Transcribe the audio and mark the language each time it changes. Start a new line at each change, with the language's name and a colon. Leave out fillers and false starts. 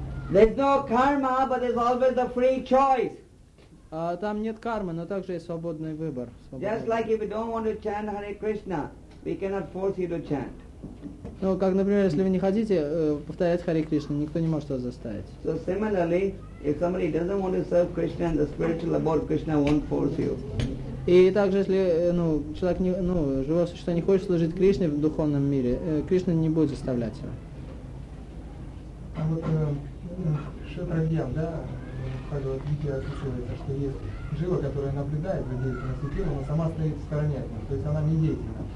English: There's no karma, but there's always a free choice.
Russian: Там нет кармы, но также есть свободный выбор.
English: Just like if you don't want to chant Hare Krishna, we cannot force you to chant.
Russian: Как, например, если вы не хотите повторять Харе Кришну, никто не может вас заставить.
English: So similarly, if somebody doesn't want to serve Krishna and the spiritual abode, Krishna won't force you.
Russian: И также, если человек живое существо не хочет служить Кришне в духовном мире, Кришна не будет заставлять его. А вот Шатрадьян, Бхагавад-гита описывается, что есть жива, которая наблюдает за деятельностью Кришны, но сама стоит в стороне от него, то есть она не деятельна.